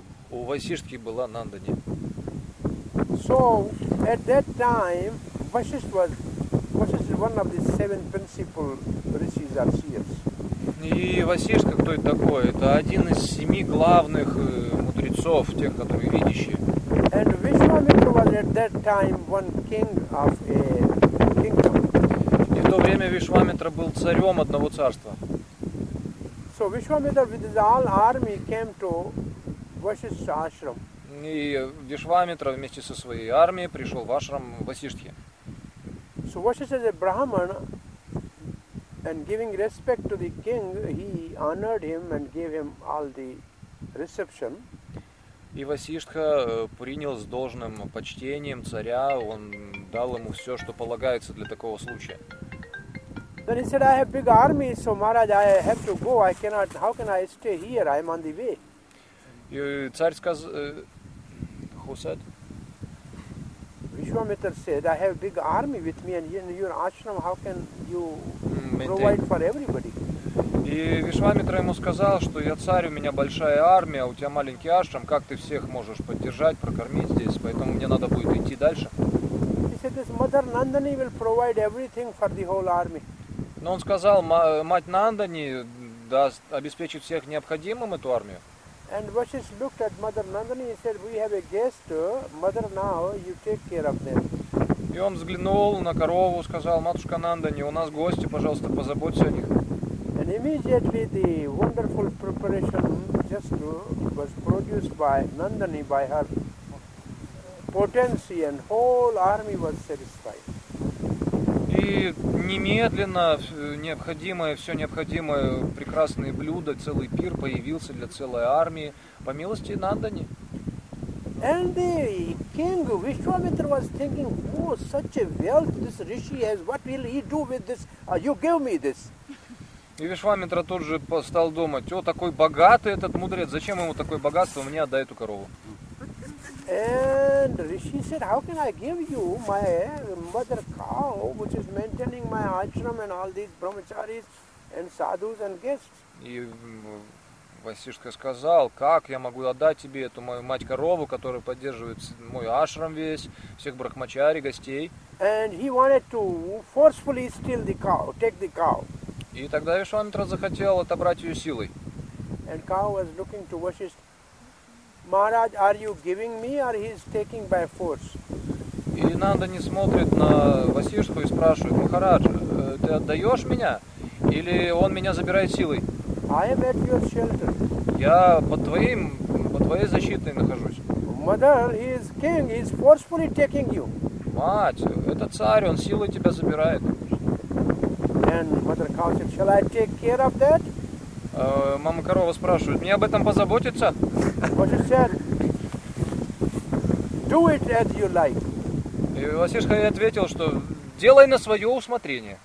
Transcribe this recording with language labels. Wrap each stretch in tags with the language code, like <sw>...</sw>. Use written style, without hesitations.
<ru>У Васиштхи была Нандани.</ru> <en>So at that time Vasishtha was one of the seven principal rishis or seers.</en> <ru>И Васиштха, кто это такой? Это один из семи главных мудрецов, тех, которые видящие.</ru> <en>And Vishwamitra was at that time one king of a kingdom.</en> <ru>И в то время Вишвамитра был царем одного царства.</ru> <en>So Vishwamitra with his all army came to Vasishtha ashram.</en> <ru>И Вишвамитра вместе со своей армией пришел в ашрам Васиштхи.</ru> <en>So Vasishtha is a Brahman. And giving respect to the king, he honored him and gave him all the reception.</en> <ru>И Васиштха принял с должным почтением царя, он дал ему все, что полагается для такого случая.</ru> <en>Then he said, "I have big army, so Maharaj, I have to go. I cannot. How can I stay here? I'm on the way."</en> <ru>И царь сказал,</ru> <en>who said? Vishwamitra said, "I have big army with me, and in your ashram, how can you provide for everybody?"</en> <ru>И Вишвамитра ему сказал, что я царь, у меня большая армия, у тебя маленький ашрам, как ты всех можешь поддержать, прокормить здесь, поэтому мне надо будет идти дальше.</ru> <en>He said, "This mother Nandani will provide everything for the whole army."</en> <ru>Но он сказал, мать Нандани даст, обеспечит всех необходимым эту армию.</ru> <en>And Vasis looked at Mother Nandini and said, "We have a guest, Mother. Now you take care of them."</en> <ru>И он взглянул на корову, сказал: "Матушка Нандини, у нас гости, пожалуйста, позаботься о них."</ru> <en>And immediately the wonderful preparation just was produced by Nandini by her potency, and whole army was satisfied.</en> <ru>И немедленно необходимое, все необходимое, прекрасные блюда, целый пир появился для целой армии по милости Нандани.</ru> <en>And the king Vishwamitra was thinking, oh, such a wealth this rishi has, what will he do with this? You give me this.</en> <ru>И Вишвамитра тут же стал думать, о, такой богатый этот мудрец, зачем ему такое богатство, мне отдай эту корову.</ru> <en>And Rishi said, "How can I give you my mother cow, which is maintaining my ashram and all these brahmacharis and sadhus and guests?"</en> <ru>И Васишка сказал, как я могу отдать тебе эту мою мать корову, которая поддерживает мой ашрам весь, всех брахмачари, гостей?</ru> <en>And he wanted to forcefully steal the cow, take the cow.</en> <ru>И тогда Вишвамитра захотел отобрать ее силой.</ru> <en>And cow was looking to Vasishtha. Maharaj, are you giving me or he is taking by force?</en> <ru>И Нандани смотрит на Васишху и спрашивает, Махарадж, ты отдаешь меня или он меня забирает силой?</ru> <en>I am at your shelter.</en> <ru>Я под твоей защитой нахожусь.</ru> <en>Mother, he is king, he is forcefully taking you.</en> <ru>Мать, это царь, он силой тебя забирает.</ru> <en>And mother counsel, shall I take care of that?</en> <ru>Мама корова спрашивает, мне об этом позаботиться?</ru> <en>Do it as you like.</en> <ru>И Васишха ответил, что делай на свое усмотрение.</ru>